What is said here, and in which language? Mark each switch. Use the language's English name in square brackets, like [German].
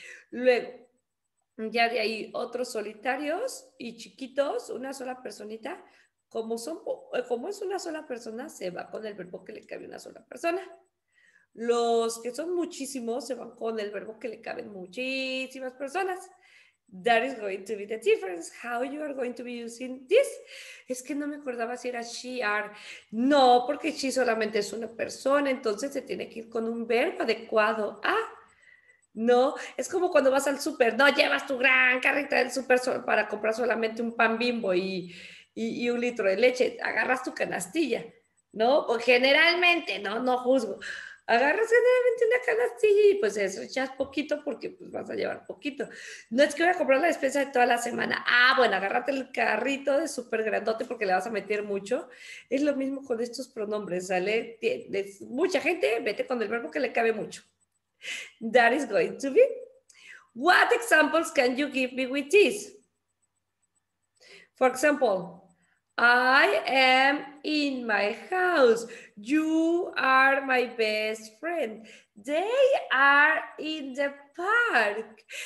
[Spanish] Luego, ya de ahí, otros solitarios y chiquitos, una sola personita, como es una sola persona, se va con el verbo que le cabe a una sola persona. Los que son muchísimos se van con el verbo que le caben muchísimas personas. [English] That is going to be the difference. How you are going to be using this? [Spanish] Es que no me acordaba si era she, are. No, porque she solamente es una persona, entonces se tiene que ir con un verbo adecuado. Ah, no, es como cuando vas al súper, no llevas tu gran carrito del súper para comprar solamente un pan bimbo y un litro de leche, agarras tu canastilla, ¿no? O generalmente, no juzgo. Agarras generalmente una canastilla y pues eso echas poquito porque pues vas a llevar poquito. No es que voy a comprar la despensa de toda la semana. Ah, bueno, agárrate el carrito de súper grandote porque le vas a meter mucho. Es lo mismo con estos pronombres, ¿sale? Tienes mucha gente, vete con el verbo que le cabe mucho. [English] That is going to be. What examples can you give me with this? For example, I am in my house. You are my best friend. They are in the park.